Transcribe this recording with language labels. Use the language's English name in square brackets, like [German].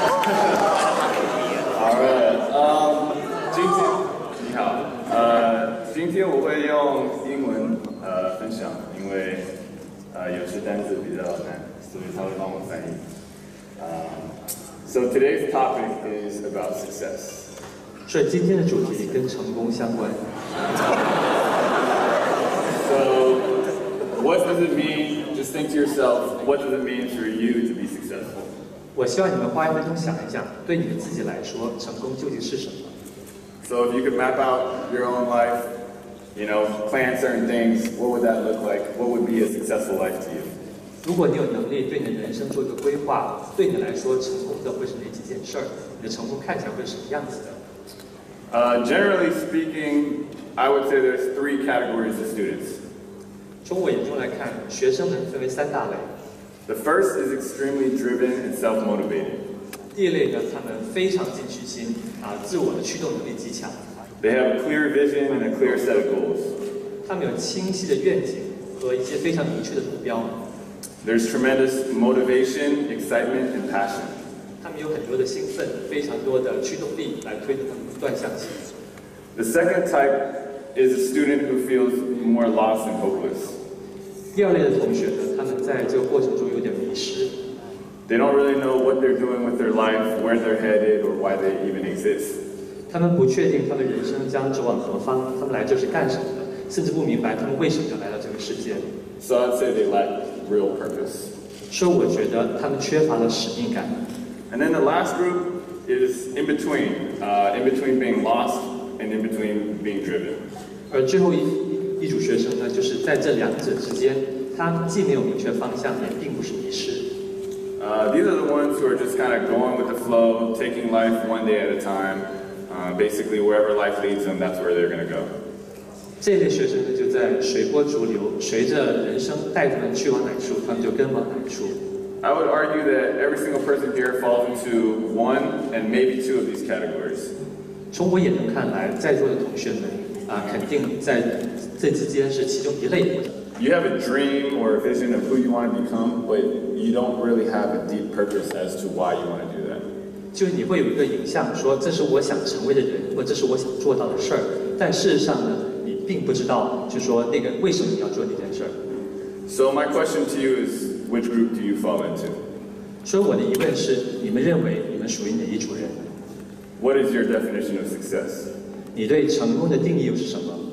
[Chinese] 好了，今天我会用英文分享，因为有些单字比较难，所以他会帮我翻译。 [English] So today's topic is about success. [Chinese] 所以今天的主题跟成功相关。 [English] So what does it mean? Just think to yourself, what does it mean for you to be successful? [Chinese] 我希望你们花一分钟想一想，对你们自己来说，成功究竟是什么？ [English] So if you could map out your own life, you know, plan certain things, what would that look like? What would be a successful life to you? [Chinese] 如果你有能力对你的人生做一个规划，对你来说成功的会是哪几件事？你的成功看起来会是什么样子的？ [English] Generally speaking, I would say there's three categories of students. [Chinese] 从我眼中来看，学生们分为三大类。 [English] The first is extremely driven and self-motivated. [Chinese] 第一类呢，他们非常进取心，自我的驱动能力极强。 [English] They have a clear vision and a clear set of goals. [Chinese] 他们有清晰的愿景和一些非常明确的目标。 [English] There's tremendous motivation, excitement, and passion. [Chinese] 他们有很多的兴奋，非常多的驱动力来推动他们不断向前。 [English] The second type is a student who feels more lost and hopeless. [Chinese] 第二类的同学呢，他们在这个过程中有点迷失。 [English] They don't really know what they're doing with their life, where they're headed, or why they even exist. [Chinese] 他们不确定他们人生将走往何方，他们来这是干什么的，甚至不明白他们为什么要来到这个世界。 [English] So I'd say they lack real purpose. [Chinese] 所以我觉得他们缺乏了使命感。 [English] And then the last group is in between, being lost and in between being driven. [Chinese] 而最后一组学生呢，就是在这两者之间，他既没有明确方向，也并不是迷失。 [English] These are the ones who are just kind of going with the flow, taking life one day at a time. Basically, wherever life leads them, that's where they're going to go. [Chinese] 这类学生呢，就在随波逐流，随着人生带他们去往哪处，他们就跟往哪处。 [English] I would argue that every single person here falls into one and maybe two of these categories. [Chinese] 从我眼中看来，在座的同学们肯定在这之间是其中一类。 [English] You have a dream or a vision of who you want to become, but you don't really have a deep purpose as to why you want to do that. [Chinese] 就是你会有一个影像，说这是我想成为的人，或这是我想做到的事儿，但事实上呢？并不知道，就说那个为什么你要做那件事儿。 [English] So my question to you is, which group do you fall into? [Chinese] 所以我的疑问是，你们认为你们属于哪一组人？ [English] What is your definition of success? [Chinese] 你对成功的定义又是什么？